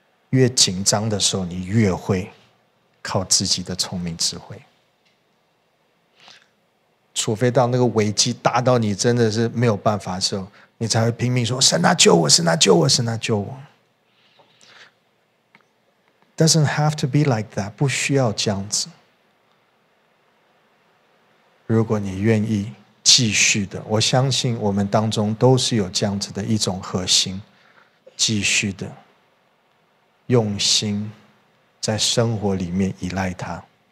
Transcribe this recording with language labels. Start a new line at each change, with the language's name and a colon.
Chinese: 越紧张的时候你越会靠自己的聪明智慧，除非到那个危机大到你真的是没有办法的时候，你才会拼命说神啊救我，神啊救我，神啊救我。
English: Doesn't have to be like that，
Chinese: 不需要这样子。如果你愿意继续的，我相信我们当中都是有这样子的一种核心，继续的用心在生活里面依赖他，